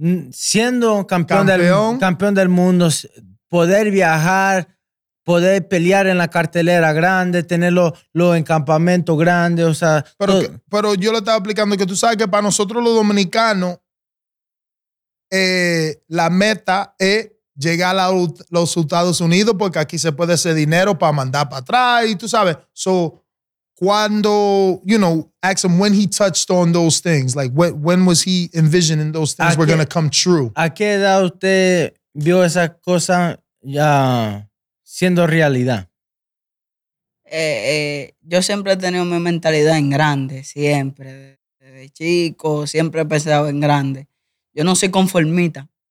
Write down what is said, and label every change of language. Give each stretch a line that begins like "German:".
Spanish: Siendo campeón del mundo, poder viajar, poder pelear en la cartelera grande, tener los encampamentos grandes, o sea. Pero yo le estaba explicando que tú sabes que para nosotros los dominicanos, la meta es llegar a los Estados Unidos, porque aquí se puede hacer dinero para mandar para atrás, y tú sabes.
English: So,
Spanish: cuando,
English: you know, ask him when he touched on those things, like when was he envisioning those things were going to come true?
Spanish: ¿A qué edad usted vio esa cosa ya siendo realidad? Yo siempre he tenido mi mentalidad en grande, siempre. Desde chico, siempre he pensado en grande. Yo no soy conformista.